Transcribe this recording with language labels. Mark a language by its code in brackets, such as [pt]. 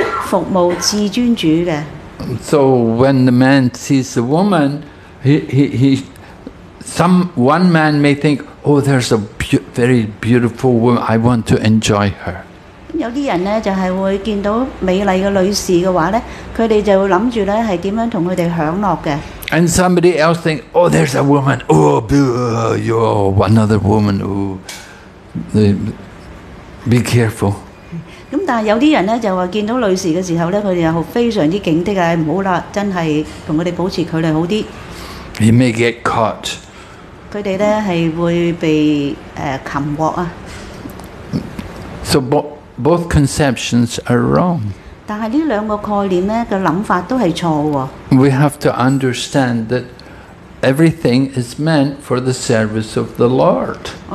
[zh] 因此我們應該是去服務至尊主的。 [en] So when the man sees the woman, one man may think, oh, there's a very beautiful woman, I want to enjoy her. [zh] 有些人就是會見到美麗的女士的話，他們就會想著是怎樣跟她們享樂的。 [en] And somebody else thinks, oh, there's a woman, oh, another woman, oh, be careful. [zh] 但有些人就說見到女士的時候，他們就非常警惕，不要了，真的跟他們保持距離好一點。 [en] He may get caught. [zh] 他們是會被擒獲。 [en] So both conceptions are wrong. [zh] 但是这两个概念的想法都是错的。 [en] We have to understand that everything is meant for the service of the Lord.